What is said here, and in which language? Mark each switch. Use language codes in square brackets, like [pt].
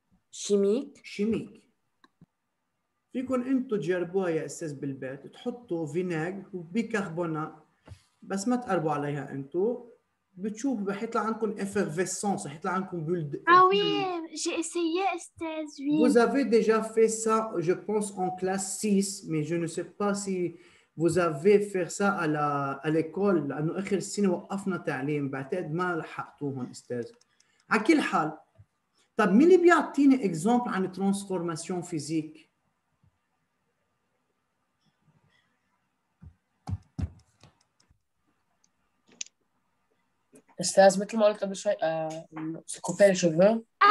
[fr] شيميك. شيميك. [ar] فيكم انتم تجربوها يا استاذ بالبيت، تحطوا فينيغر وبيكربونات، بس ما تقربوا عليها انتم. بتشوف رح يطلع عندكم effervescence، رح يطلع عندكم بولد. [fr] اه وي، جي اسيي استاذ. وي، vous avez déjà fait ça je pense en classe 6، mais je ne sais pas si vous avez fait ça à la à l'école، [ar] لانه اخر السنه وقفنا تعليم، بعتقد ما لحقتوهم استاذ. على كل حال، طب مين اللي بيعطيني اكزامبل عن ترانسفورماسيون فيزيك؟ استاذ مثل ما قلت قبل شوي كوبير الشوفو.